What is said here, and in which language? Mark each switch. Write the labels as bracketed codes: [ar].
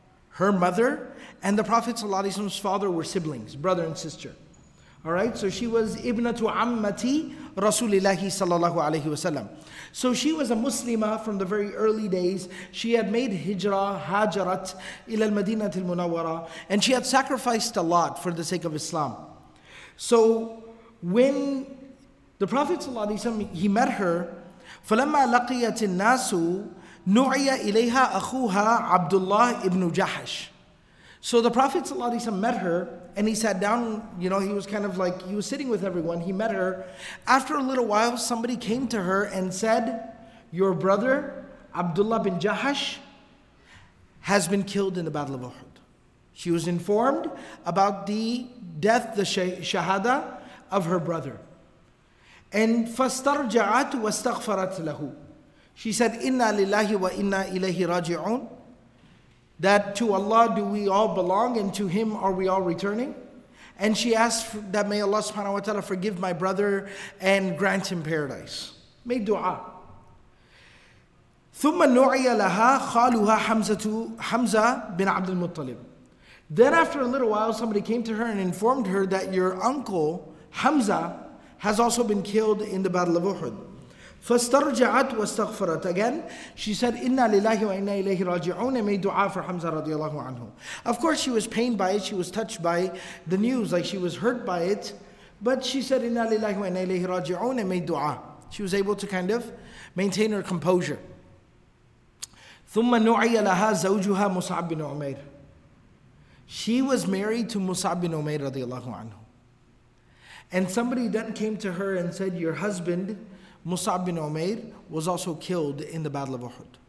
[en] Her mother and the Prophet ﷺ's father were siblings, brother and sister. All right, so she was [ar] ibnatu ammati Rasulillahi sallallahu alayhi wa sallam. [en] So she was a Muslima from the very early days. She had made [ar] hajarat ila al-Madinah al-Munawwara, [en] and she had sacrificed a lot for the sake of Islam. So when the Prophet ﷺ, he met her, [ar] فَلَمَّا لَقِيَتِ النَّاسُ نُعِيَ إِلَيْهَا أَخُوهَا عَبْدُ اللَّهِ إِبْنُ جَحَشٍ. [en] So the Prophet ﷺ met her, and he sat down, you know, he was kind of like, he was sitting with everyone, he met her. After a little while, somebody came to her and said, your brother, Abdullah bin Jahash, has been killed in the Battle of Uhud. She was informed about the death, the shahada of her brother. [ar] And فَاسْتَرْجَعَتْ وَاسْتَغْفَرَتْ لَهُ. [en] She said, [ar] إِنَّا لِلَّهِ وَإِنَّا إِلَيْهِ رَاجِعُونَ, [en] that to Allah do we all belong, and to Him are we all returning. And she asked that may Allah subhanahu wa ta'ala forgive my brother and grant him paradise. Made dua. [ar] ثُمَّ نُعِيَ لَهَا خَالُهَا حَمْزَةُ بِنْ عَبْدِ الْمُطَّلِبِ. [en] Then after a little while, somebody came to her and informed her that your uncle, Hamza, has also been killed in the Battle of Uhud. [ar] فَاسْتَرْجَعَتْ وَاسْتَغْفَرَتْ. [en] Again, she said, [ar] إِنَّا لِلَّهِ وَإِنَّا إِلَيْهِ رَاجِعُونَ. [en] And made dua for Hamza radiallahu anhu. Of course, she was pained by it. She was touched by the news, like she was hurt by it. But she said, [ar] إِنَّا لِلَّهِ وَإِنَّا إِلَيْهِ رَاجِعُونَ. [en] And made dua. She was able to kind of maintain her composure. [ar] ثُمَّ نُعِيَ لَهَا زَوْجُهَا مُصْعَبْ بِنْ عُمَيْرٍ. [en] She was married to Mus'ab bin Umayr radiallahu anhu. And somebody then came to her and said, your husband, Mus'ab bin Umayr, was also killed in the Battle of Uhud.